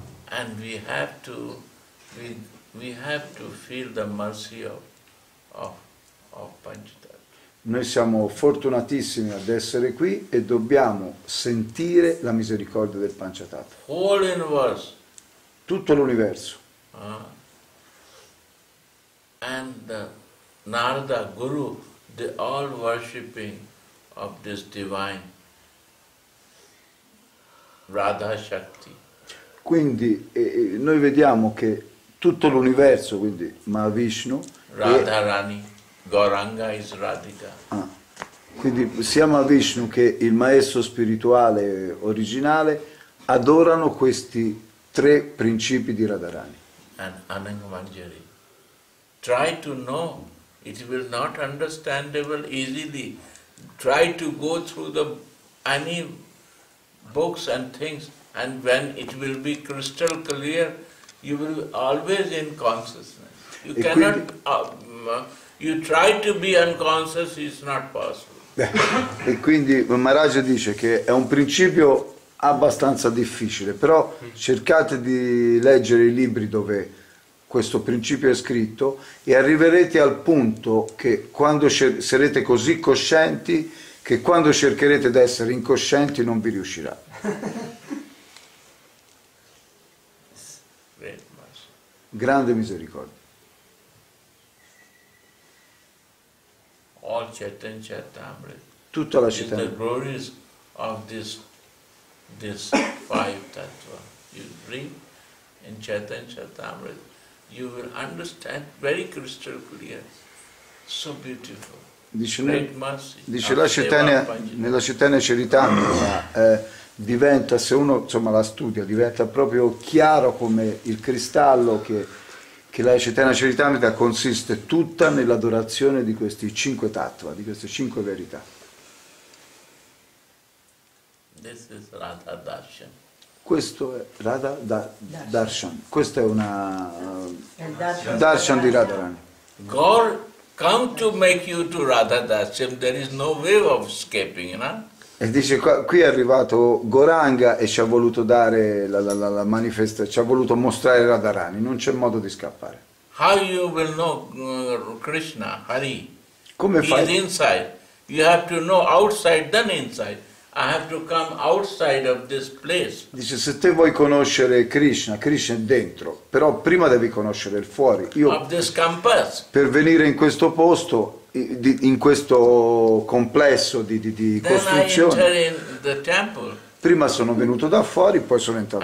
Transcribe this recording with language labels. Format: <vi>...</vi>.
<en>And we have to feel the mercy of Panchatattva.</en> <it>Noi siamo fortunatissimi ad essere qui e dobbiamo sentire la misericordia del Panchatattva.</it> <en>Whole universe.</en> <it>Tutto l'universo.</it> <en>And Narada, Guru, they all worshipping of this divine Radha Shakti.</en> <it>Quindi noi vediamo che tutto l'universo, quindi Mahavishnu,</it> <en>Radha Rani, Gauranga is Radhika.</en> <it>Quindi sia Mahavishnu che il maestro spirituale originale adorano questi tre principi di Radharani.</it> <en>And Anangamanjari, try to know, it will not understandable easily. Try to go through the any books and things, and when it will be crystal clear, you will always in consciousness. You</en> <it>e</it> <en>cannot.</en> <it>Quindi,</it> <en>you try to be unconscious, it's not possible.</en> <it>E quindi Maharaj dice che è un principio abbastanza difficile, però cercate di leggere i libri dove questo principio è scritto e arriverete al punto che quando sarete così coscienti che quando cercherete di essere incoscienti non vi riuscirà. Grande misericordia.</it> <en>All Chaitanya Charitamrita.</en> <it>Tutta la Chaitanya.</it> <en>The glories of this five tattva. You bring in Chaitanya Charitamrita, you will understand very crystal clear. So beautiful.</en> <it>Dice,</it> <en>great mercy.</en> <it>Dice la Chaitanya, nella Chaitanya Charitamrita diventa, se uno insomma la studia, diventa proprio chiaro come il cristallo che la Chaitanya Charitamrita consiste tutta nell'adorazione di questi cinque tattva, di queste cinque verità.</it> <en>This is Radha Darshan.</en> <it>Questo è Radha Darshan. Questo è una Darshan di Radharani.</it> <en>Gaur come to make you to Radha Dasyam, there is no way of escaping, you know?</en> <it>E dice qui è arrivato Goranga e ci ha voluto dare la manifesta, ci ha voluto mostrare Radharani, non c'è modo di scappare.</it> <en>How you will know Krishna, Hari?</en> <it>Come</it> <en>he</en> <it>fai?</it> <en>Is inside. You have to know outside then inside. I have to come outside of this place.</en> <it>Dice se te vuoi conoscere Krishna, Krishna è dentro, però prima devi conoscere il fuori. Io</it> <en>of this campus.</en> <it>Per venire in questo posto, in questo complesso di costruzione.</it> <en>Then I enter in the temple.</en> <it>Prima sono venuto da fuori, poi sono entrato</it>